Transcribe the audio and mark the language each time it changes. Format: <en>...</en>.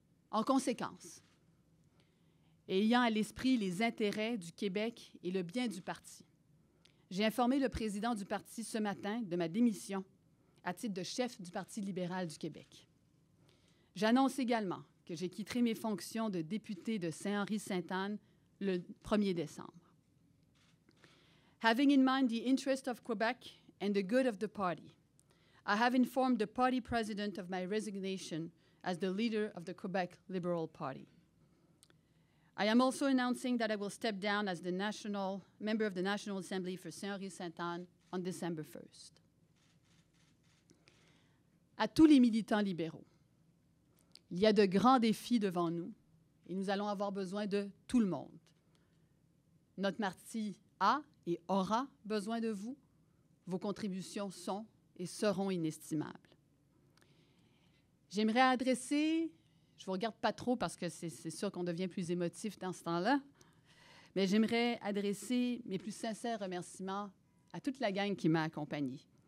<fr>En conséquence, ayant à l'esprit les intérêts du Québec et le bien du parti, j'ai informé le président du parti ce matin de ma démission à titre de chef du Parti libéral du Québec. J'annonce également que j'ai quitté mes fonctions de député de Saint-Henri-Sainte-Anne le 1er décembre.</fr> <en>Having in mind the interest of Quebec and the good of the party, I have informed the party president of my resignation as the leader of the Quebec Liberal Party. I am also announcing that I will step down as the national member of the National Assembly for Saint-Henri-Sainte-Anne on December 1st.</en> <fr>À tous les militants libéraux, il y a de grands défis devant nous et nous allons avoir besoin de tout le monde. Notre parti a et aura besoin de vous. Vos contributions sont et seront inestimables. J'aimerais adresser, je vous regarde pas trop parce que c'est sûr qu'on devient plus émotif dans ce temps-là, mais j'aimerais adresser mes plus sincères remerciements à toute la gang qui m'a accompagnée.</fr>